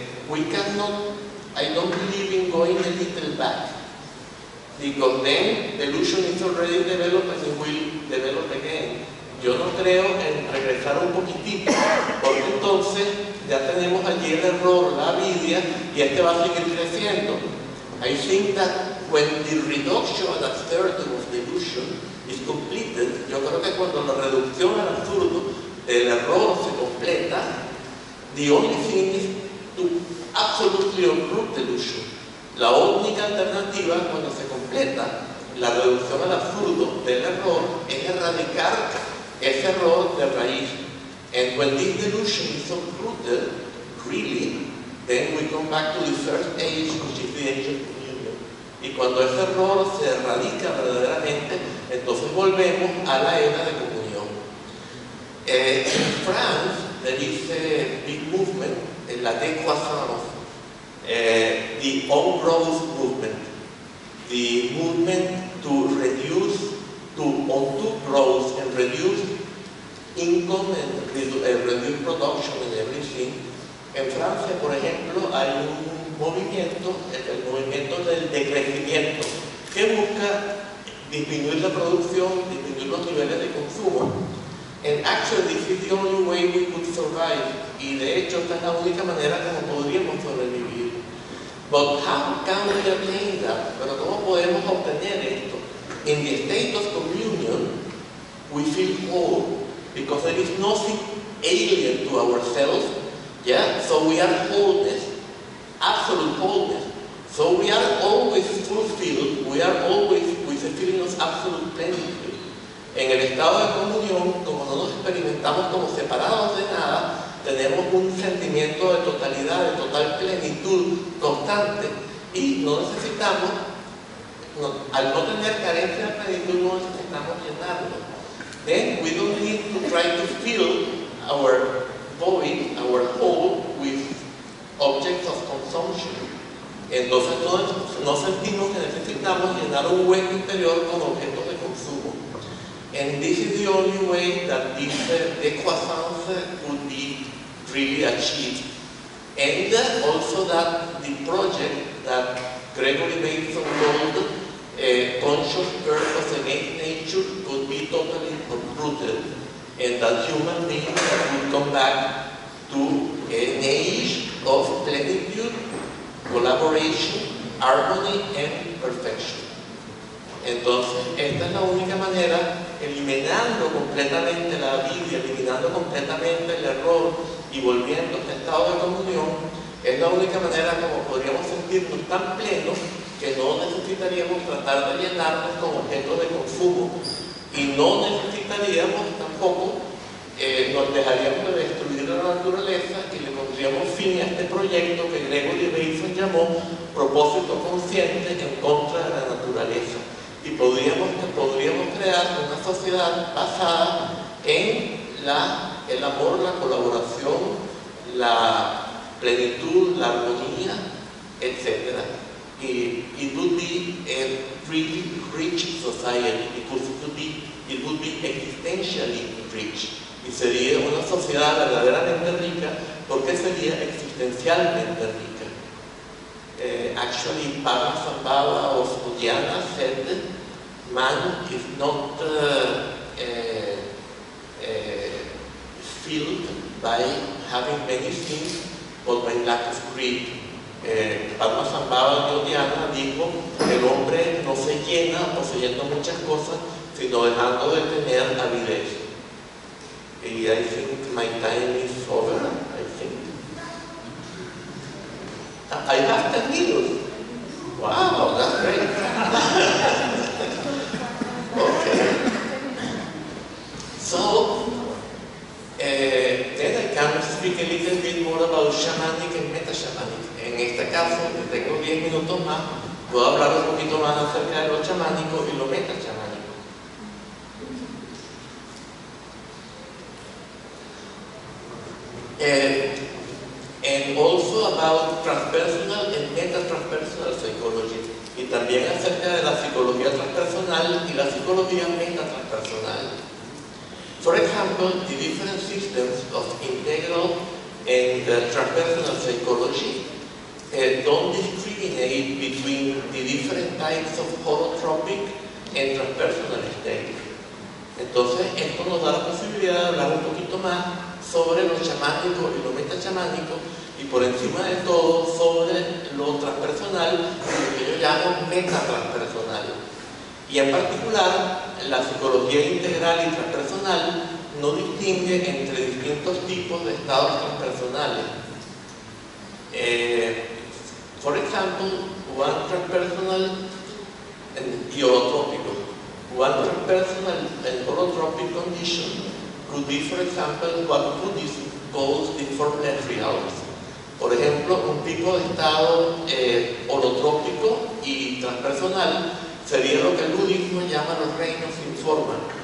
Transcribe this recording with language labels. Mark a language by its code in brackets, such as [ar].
[en] We cannot, I don't believe in going a little back. Because then delusion is already developed and will develop again. [es] Yo no creo en regresar un poquitito, porque entonces ya tenemos allí el error, la avidia, y este va a seguir creciendo. [en] I think that when the reduction and absurdum of delusion is completed, [es] yo creo que cuando la reducción al absurdo del error se completa, [en] the only thing is to absolutely uproot delusion. [es] La única alternativa cuando se completa la reducción al absurdo del error es erradicar ese error de raíz. [en] And when this delusion is uprooted, really, then we come back to the first age, which is the age of communion. [es] Y cuando ese error se erradica verdaderamente, entonces volvemos a la era de comunión. [en] In France, there is a big movement, la décroissance, the on-growth movement, the movement to reduce, to undo growth and reduce income and reduce production and everything. [es] En Francia, por ejemplo, hay un movimiento, el movimiento del decrecimiento, que busca disminuir la producción, disminuir los niveles de consumo. [en] And actually, this is the only way we could survive. [es] Y de hecho, esta es la única manera como podríamos sobrevivir. [en] But how can we obtain that? [es] Pero ¿cómo podemos obtener esto? [en] In the state of communion, we feel whole, because there is nothing alien to ourselves. Yeah, so we are wholeness, absolute wholeness. So we are always fulfilled, we are always with a feeling of absolute plenitude. [es] En el estado de comunión, como no nos experimentamos como separados de nada, tenemos un sentimiento de totalidad, de total plenitud constante. Y no necesitamos, no, al no tener carencia de plenitud, no necesitamos llenarlo. [en] Then we don't need to try to fill our void, our hole, with objects of consumption. [es] Entonces no sentimos que necesitamos llenar un hueco interior con objetos de consumo. [en] And this is the only way that this décroissance could be really achieved. And also that the project that Gregory Bateson called conscious purpose against nature could be totally uprooted, and that human beings will come back to an age of plenitude, collaboration, harmony, and perfection. [es] Entonces, esta es la única manera, eliminando completamente la avidia, eliminando completamente el error y volviendo a este estado de comunión, es la única manera como podríamos sentirnos tan plenos que no necesitaríamos tratar de llenarnos con objetos de consumo y no necesitaríamos tampoco, nos dejaríamos de destruir la naturaleza y le pondríamos fin a este proyecto que Gregory Bateson llamó propósito consciente en contra de la naturaleza. Y podríamos crear una sociedad basada en el amor, la colaboración, la plenitud, la armonía, etc. [en] It would be a really rich society, it would be existentially rich. [es] Y sería una sociedad verdaderamente rica porque sería existencialmente rica. [en] Actually, Parasambhava of Udyana said that man is not filled by having many things, but by lack of greed. [es] Parasambhava de Udyana dijo que el hombre no se llena poseyendo muchas cosas, sino dejando de tener avidez. [en] And I think my time is over, I think. I have 10 minutes. Wow, that's great. Okay. So, then I can speak a little bit more about shamanic and meta-shamanic. [es] En este caso, tengo 10 minutos más, puedo hablar un poquito más acerca de lo chamánico y lo meta-shamanic. [en] And also about transpersonal and metatranspersonal psychology, [es] y también acerca de la psicología transpersonal y la psicología metatranspersonal. [en] For example, the different systems of integral and transpersonal psychology don't discriminate between the different types of holotropic and transpersonal state. [es] Entonces, esto nos da la posibilidad de hablar un poquito más sobre lo chamánico y lo metachamánico, y por encima de todo, sobre lo transpersonal, lo que yo llamo metatranspersonal. Y en particular, la psicología integral y transpersonal no distingue entre distintos tipos de estados transpersonales. [en] For example, one transpersonal and the holotropic. One transpersonal and holotropic condition could be, for example, what Buddhism calls the formless reality. [es] Por ejemplo, un tipo de estado holotrópico y transpersonal sería lo que el budismo llama los reinos sin forma.